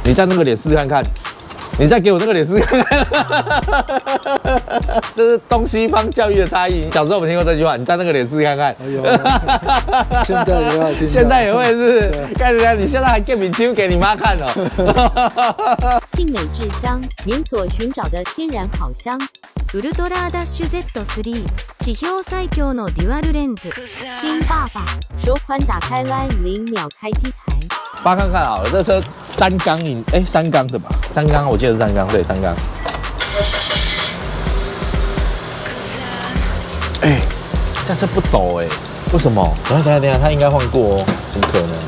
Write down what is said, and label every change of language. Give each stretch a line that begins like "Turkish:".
Chinese: 你再那个脸试试看看，你再给我那个脸试试看看。这是东西方教育的差异。小时候我们听过这句话，你再那个脸试试看看。哎呦，现在也要听到，现在也会是。看人家，你现在还给你丢给你妈看哦。庆美智香，您所寻找的天然烤箱。
Japanese: ウルトラダッシュ Z3、地表最強のデュアルレンズ。
Chinese: 金爸爸，手款打开 LINE 0秒开机台。扒看看好了，这车三缸引，哎，三缸的吧？三缸，我记得是三缸，对，三缸。哎，这车不抖哎，为什么？等一下，它应该换过哦，怎么可能？